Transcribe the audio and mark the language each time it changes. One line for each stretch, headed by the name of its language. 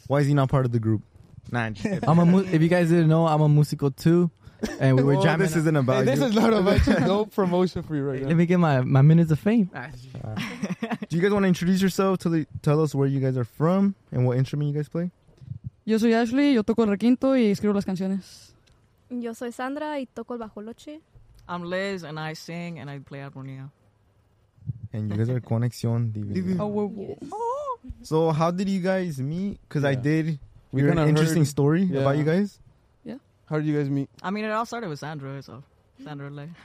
English: Why is he not part of the group? Nah, just I'm a if you guys didn't know, I'm a musical too, and we were jamming. This isn't about This is not about you. No promotion for you right now. Let me get my minutes of fame. Do you guys want to introduce yourself? Tell us where you guys are from and what instrument you guys play.
Spanish: Yo soy Ashley. Yo toco el requinto y escribo las canciones. Yo soy Sandra y toco el bajoloche.
English: I'm Liz and I sing and I play armonía. And you guys are Conexión Divina. So how did you guys meet? Because I did. We heard an interesting story about you guys. Yeah. How did you guys meet? I mean, it all started with Sandra. So Sandra, like.